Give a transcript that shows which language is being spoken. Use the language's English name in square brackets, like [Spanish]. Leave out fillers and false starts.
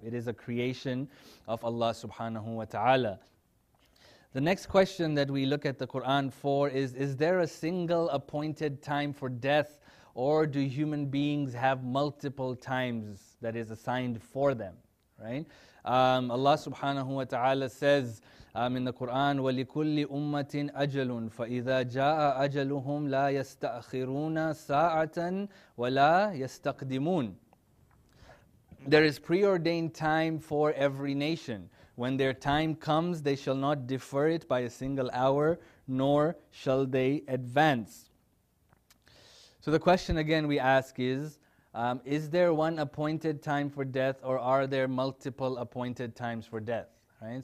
[English] It is a creation of Allah subhanahu wa ta'ala. The next question that we look at the Quran for is there a single appointed time for death, or do human beings have multiple times that is assigned for them, right? [Arabic] Allah subhanahu wa ta'ala says in the Quran, وَلِكُلِّ أُمَّةٍ أَجَلٌ فَإِذَا جَاءَ أَجَلُهُمْ لَا يَسْتَأْخِرُونَ سَاعَةً وَلَا يَسْتَقْدِمُونَ. [English] There is preordained time for every nation. When their time comes, they shall not defer it by a single hour, nor shall they advance. So the question again we ask is there one appointed time for death, or are there multiple appointed times for death? Right.